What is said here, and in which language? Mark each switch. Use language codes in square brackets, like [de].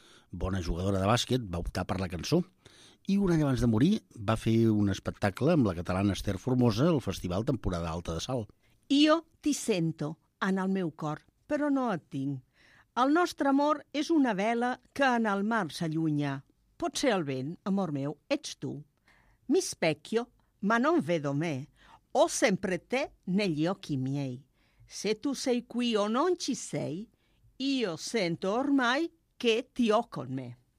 [ca] Bona jugadora de bàsquet, va optar per la cançó. I un any abans de morir va fer un espectacle amb la catalana Esther Formosa al Festival Temporada Alta de Salt. [it] Io ti sento [ca] en el meu cor, però no et tinc. El nostre amor és una vela que en el mar s'allunya. Pot ser el vent, amor meu, ets tu. [it] Mi specchio, ma non vedo me. Ho sempre te negli occhi miei. Se tu sei qui o non ci sei, io sento ormai che ti ho con me.